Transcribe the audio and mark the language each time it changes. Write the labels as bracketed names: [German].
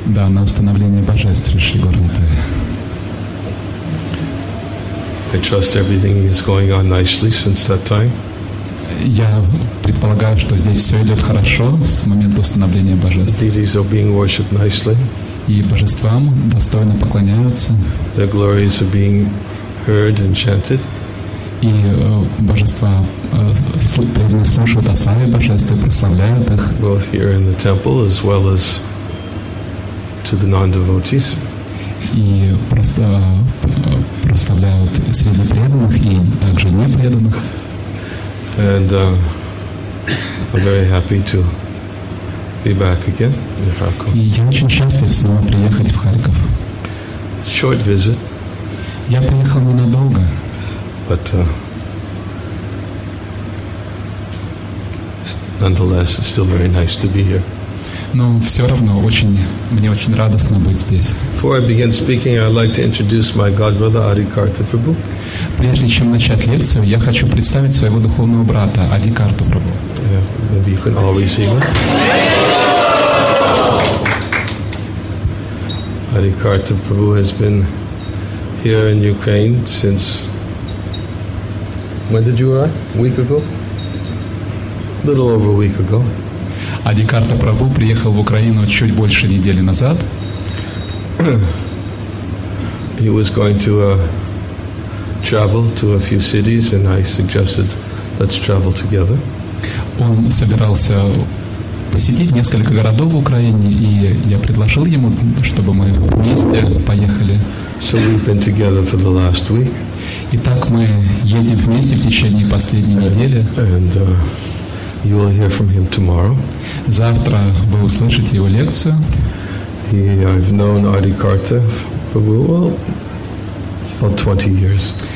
[Russian] Да, на установление божеств Шри Горнитай. [English] I trust everything is going on nicely since that time. [Russian] Я предполагаю, что здесь все идет хорошо с момента установления божеств. [English] Deities are being worshipped nicely. [Russian] И божествам достойно поклоняются. [English] Their glories are being heard and chanted. [Russian] И божества слушают о славе божеств и прославляют их. [English] Both here in the temple as well as to the non-devotees. [Russian] И просто прославляют среди преданных и также непреданных. [English] And I'm very happy to be back again in Kharkov. [Russian] И я очень счастлив снова приехать в Харьков. [English] Short visit. [Russian] Я приехал ненадолго. [English] But nonetheless, it's still very nice to be here. [Russian] Но все равно очень мне очень радостно быть здесь. [English] Before I begin speaking, I'd like to introduce my godbrother Adhikartha Prabhu. [Russian] Прежде чем начать лекцию, я хочу представить своего духовного брата Адхикарту Прабху. [English] Yeah, maybe you can all receive him. Adhikartha Prabhu has been here in Ukraine since. When did you arrive? A week ago? A little over a week ago. [Russian] Адхикарта Прабху приехал в Украину чуть больше недели назад. [English] He was going to travel to a few cities, and I suggested, let's travel together. [Russian] Он собирался посетить несколько городов в Украине, и я предложил ему, чтобы мы вместе поехали. [English] So we've been together for the last week. [Russian] Итак, мы ездим вместе в течение последней недели. [English] And you will hear from him tomorrow. [Russian] Завтра вы услышите его лекцию. [English] He, I've known Adhikartha Prabhu about 20 years.